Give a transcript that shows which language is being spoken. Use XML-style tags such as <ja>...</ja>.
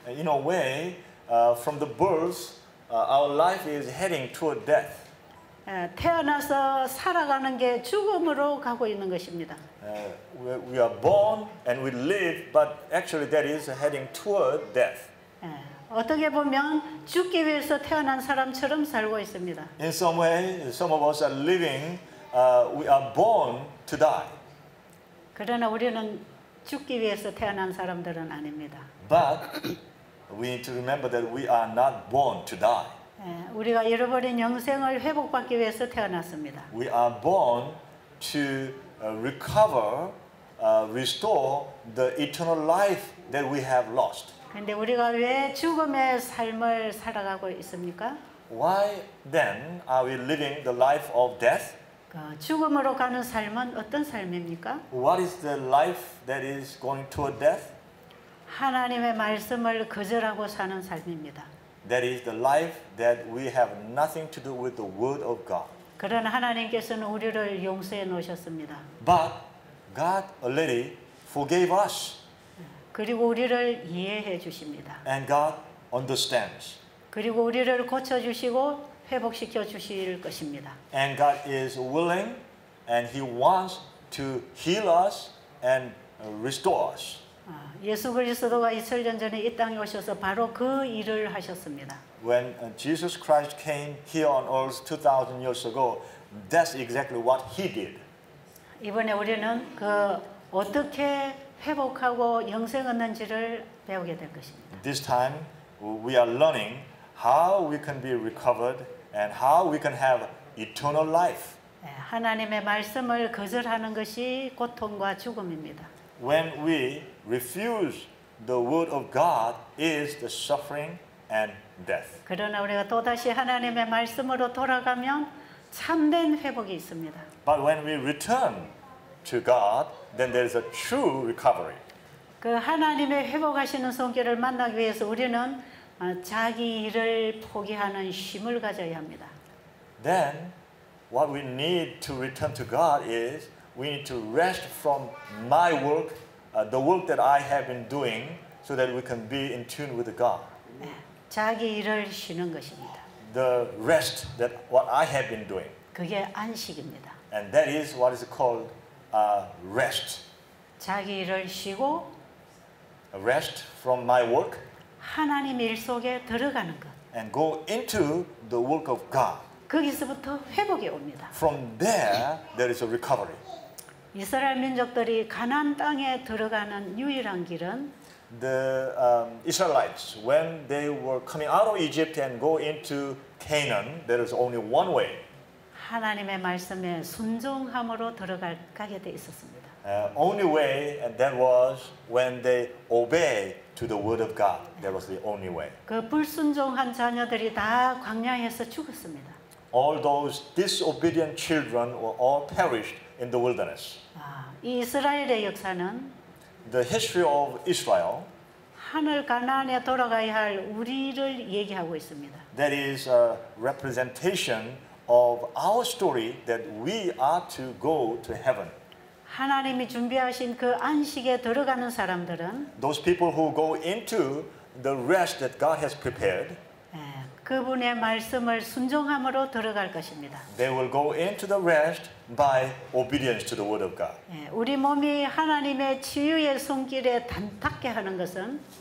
<en>In a way, from the birth, our life is heading toward death.</en> <ko>태어나서 살아가는 게 죽음으로 가고 있는 것입니다.</ko> <en>We are born and we live, but actually that is heading toward death.</en> <ko>어떻게 보면 죽기 위해서 태어난 사람처럼 살고 있습니다.</ko> <en>In some way, some of us are living. We are born to die.</en> <ko>그러나 우리는 죽기 위해서 태어난 사람들은 아닙니다.</ko> <en>But we need to remember that we are not born to die.</en> <ko>우리가 잃어버린 영생을 회복받기 위해서 태어났습니다.</ko> <en>We are born to recover, restore the eternal life that we have lost.</en> <ko>근데 우리가 왜 죽음의 삶을 살아가고 있습니까?</ko> <en>Why then are we living the life of death?</en> <ko>죽음으로 가는 삶은 어떤 삶입니까?</ko> <en>What is the life that is going toward death?</en> <ko>하나님의 말씀을 거절하고 사는 삶입니다.</ko> <en>That is the life that we have nothing to do with the word of God.</en> <ko>그런 하나님께서는 우리를 용서해 놓으셨습니다.</ko> <en>But God already forgave us.</en> <ko>그리고 우리를 이해해 주십니다.</ko> <en>And God understands.</en> <ko>그리고 우리를 고쳐 주시고 회복시켜 주실 것입니다.</ko> <en>And God is willing and he wants to heal us and restore us.</en> <ko>예수 그리스도가 2000년 전에 이 땅에 오셔서 바로 그 일을 하셨습니다.</ko> <en>When Jesus Christ came here on earth 2000 years ago, that's exactly what he did.</en> <ko>이번에 우리는 그 어떻게 회복하고 영생 얻는지를 배우게 될 것입니다.</ko> <en>This time we are learning how we can be recovered and how we can have eternal life.</en> <ko>하나님의 말씀을 거절하는 것이 고통과 죽음입니다.</ko> <en>When we refuse the word of God is the suffering and death.</en> <ko>그러나 우리가 또 다시 하나님의 말씀으로 돌아가면 참된 회복이 있습니다.</ko> <en>But when we return to God, then there is a true recovery.</en> <ko>그 하나님의 회복하시는 손길을 만나기 위해서 우리는 자기 일을 포기하는 힘을 가져야 합니다.</ko> <en>Then what we need to return to God is we need to rest from my work, the work that I have been doing, so that we can be in tune with God.</en> <ko>자기 일을 쉬는 것입니다.</ko> <en>The rest that what I have been doing.</en> <ko>그게 안식입니다.</ko> <en>And that is what is called rest.</en> <ko>자기 일을 쉬고</ko> <en>rest from my work.</en> <ko>하나님 일 속에 들어가는 것.</ko> <en>And go into the work of God.</en> <ko>거기서부터 회복이 옵니다.</ko> <en>From there, there is a recovery.</en> <ko>이스라엘 민족들이 가나안 땅에 들어가는 유일한 길은</ko> <en>the Israelites when they were coming out of Egypt and go into Canaan there is only one way</en> <ko>하나님의 말씀에 순종함으로 들어갈 가게 돼 있었습니다.</ko> <en>Only way and that was when they obey to the word of God. That was the only way.</en> <ko>그 불순종한 자녀들이 다 광야에서 죽었습니다.</ko> <en>All those disobedient children were all perished in the wilderness.</en> <ko>이스라엘의 역사는</ko> <en>the history of Israel</en> <ko>하늘 가나안에 돌아가야 할 우리를 얘기하고 있습니다.</ko> <en>That is a representation of our story that we are to go to heaven.</en> <ko>하나님이 준비하신 그 안식에 들어가는 사람들은</ko> <en>those people who go into the rest that God has prepared</en> <ko>그분의 말씀을 순종함으로 들어갈 것입니다.</ko> <en>They will go into the rest by obedience to the word of God.</en> <ko>우리 몸이 하나님의 치유의 손길에 단답게 하는 것은</ko>